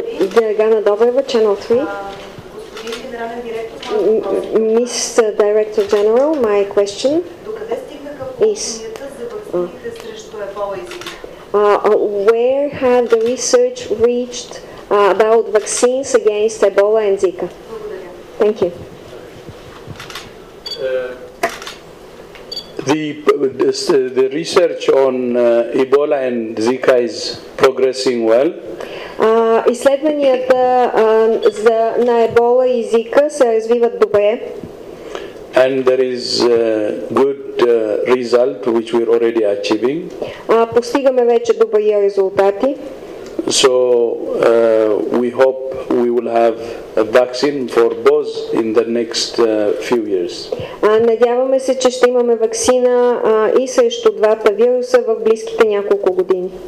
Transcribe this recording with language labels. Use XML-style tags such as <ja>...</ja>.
<bg>Диргана Добрева, Channel 3.</bg> <en>Ms. Director General, my question is, where had the research reached about vaccines against Ebola and Zika? Thank you. The research on Ebola and Zika is progressing well.</en> <bg>Изследванията на Ебола и Зика се развиват добре.</bg> <en>And there is a good result which we're already achieving.</en> <bg>Постигаме вече добри резултати.</bg> <en>So we hope we will have a vaccine for both in the next few years.</en> <bg>Надяваме се, че ще имаме ваксина и срещу двата вируса в близките няколко години.</bg>